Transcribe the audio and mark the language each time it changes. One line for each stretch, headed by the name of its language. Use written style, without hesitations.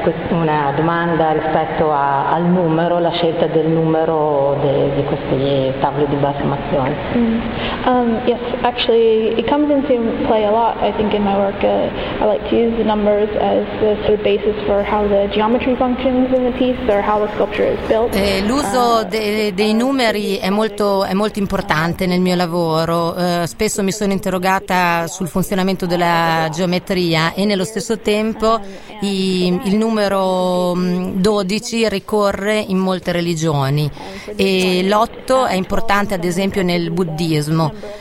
Italian: Una domanda rispetto al numero, la scelta del numero di questi tavoli di imbalsamazione.
English: Yes, actually, it comes into play a lot, I think, in my work. I like to use the numbers as the sort of basis for how the geometry functions in the piece or how the sculpture is built.
Italian: L'uso dei numeri è molto importante nel mio lavoro. Spesso mi sono interrogata sul funzionamento della geometria, e nello stesso tempo il numero 12 ricorre in molte religioni, e l'8 è importante ad esempio nel buddismo,